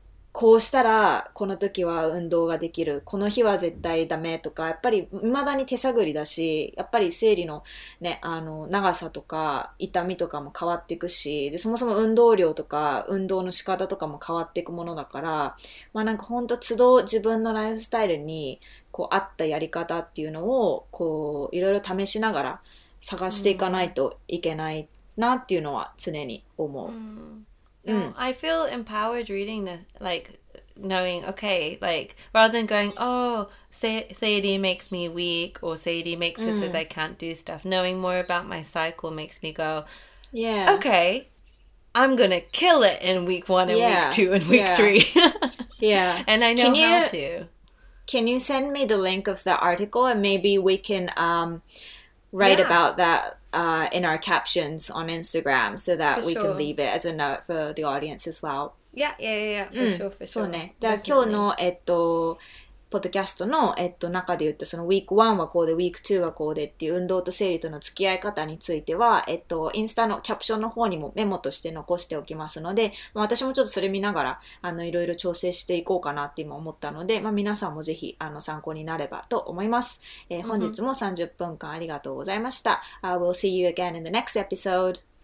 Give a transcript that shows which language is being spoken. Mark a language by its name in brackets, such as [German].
[Japanese] こうしたらこの時は運動ができる、この日は絶対ダメとか、やっぱり未だに手探りだし、やっぱり生理のね、長さとか痛みとかも変わっていくし、で、そもそも運動量とか運動の仕方とかも変わっていくものだから、まあなんか本当都度自分のライフスタイルにこう合ったやり方っていうのをこういろいろ試しながら探していかないといけないなっていうのは常に思う。 [English] I feel empowered reading this, like, knowing, okay, like, rather than going, oh, Sadie makes me weak, or Sadie makes it so that I can't do stuff, knowing more about my cycle makes me go, yeah, okay, I'm gonna kill it in week one and week two and week three. Yeah. And I know how to. Can you send me the link of the article, and maybe we can write about that? In our captions on Instagram so that we can leave it as a note for the audience as well. Yeah, for sure. [Japanese] そうね。だから今日の、ポッドキャストの、中で言ったその week 1はこうで、week 2はこうでっていう運動と生理との付き合い方については、インスタのキャプションの方にもメモとして残しておきますので、まあ、私もちょっとそれ見ながら、いろいろ調整していこうかなって今思ったので、まあ、皆さんもぜひ、参考になればと思います。本日も30分間ありがとうございました。 [English] We'll see you again in the next episode.